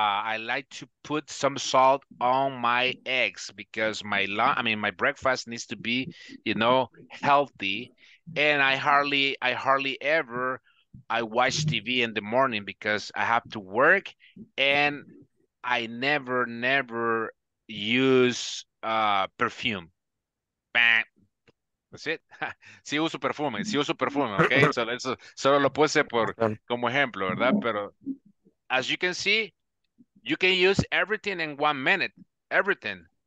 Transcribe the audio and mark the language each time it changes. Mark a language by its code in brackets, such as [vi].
[en] I like to put some salt on my eggs because my breakfast needs to be, you know, healthy. And I hardly ever watch TV in the morning because I have to work, and I never use perfume. Bam. That's it. [es] Sí uso perfume, sí uso perfume, okay? So eso solo lo puse por como ejemplo, ¿verdad? Pero [en] as you can see, you can use everything in 1 minute, everything.